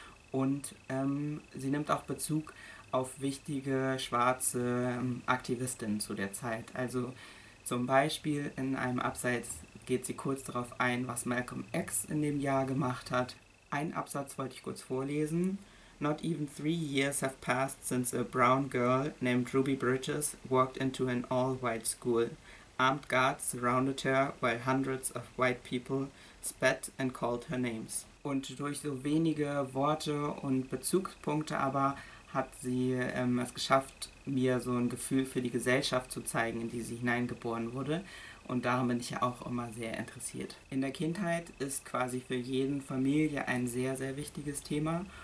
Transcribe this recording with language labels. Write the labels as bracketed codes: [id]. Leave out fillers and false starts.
[de] Und sie nimmt auch Bezug auf wichtige schwarze Aktivistinnen zu der Zeit. Also zum Beispiel in einem Absatz geht sie kurz darauf ein, was Malcolm X in dem Jahr gemacht hat. Einen Absatz wollte ich kurz vorlesen. [en] Not even 3 years have passed since a brown girl named Ruby Bridges walked into an all-white school. Armed guards surrounded her, while hundreds of white people spat and called her names. [de] Und durch so wenige Worte und Bezugspunkte aber hat sie es geschafft, mir so ein Gefühl für die Gesellschaft zu zeigen, in die sie hineingeboren wurde. Und daran bin ich ja auch immer sehr interessiert. In der Kindheit ist quasi für jeden Familie ein sehr, sehr wichtiges Thema.